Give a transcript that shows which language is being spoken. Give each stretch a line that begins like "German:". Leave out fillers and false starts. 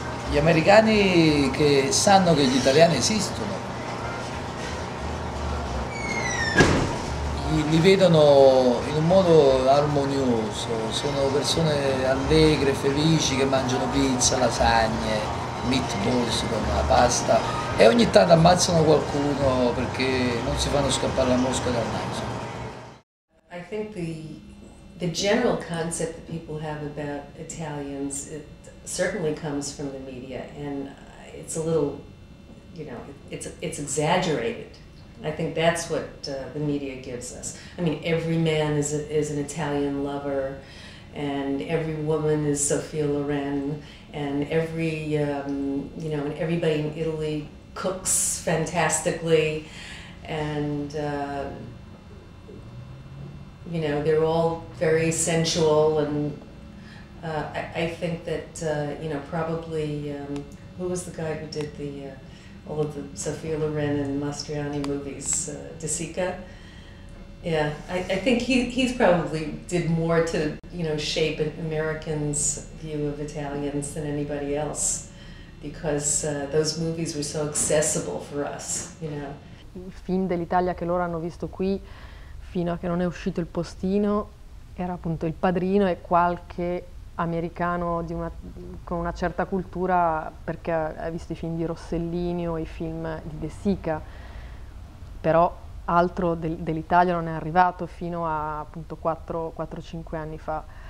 Italian: Gli americani che sanno che gli italiani esistono, li vedono in un modo armonioso, sono persone allegre, felici, che mangiano pizza, lasagne, meatballs con la pasta e ogni tanto ammazzano qualcuno perché non si fanno scappare la mosca dal naso.
English: I think the general concept that people have about Italians, it certainly comes from the media, and it's a little, you know, it's exaggerated. I think that's what the media gives us. I mean, every man is an Italian lover, and every woman is Sophia Loren, and every you know, and everybody in Italy cooks fantastically, and you know, they're all very sensual, and I think that you know, probably who was the guy who did the all of the Sophia Loren and Mastroianni movies, De Sica. Yeah, I think he's probably did more to, you know, shape an American's view of Italians than anybody else, because those movies were so accessible for us, you know.
Italian: Il film dell'Italia che loro hanno visto qui, fino a che non è uscito Il Postino, era appunto Il Padrino e qualche americano di una, con una certa cultura, perché ha visto i film di Rossellini o i film di De Sica, però altro dell'Italia non è arrivato fino a appunto 4-5 anni fa.